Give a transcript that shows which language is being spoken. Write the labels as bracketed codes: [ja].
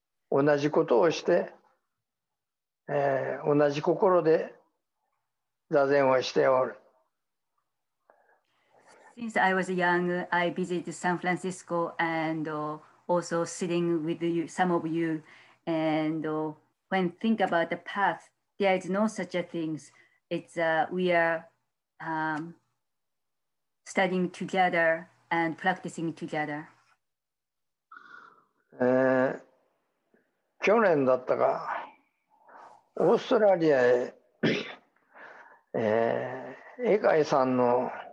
[ja] 同じことをして同じ心で座禅をしておる。 [en] Since I was young, I visited San Francisco and also sitting with you, some of you. And when think about the path, there is no such a thing. It's we are studying together and practicing together. [ja] 去年だったか、オーストラリアへ、英会さんの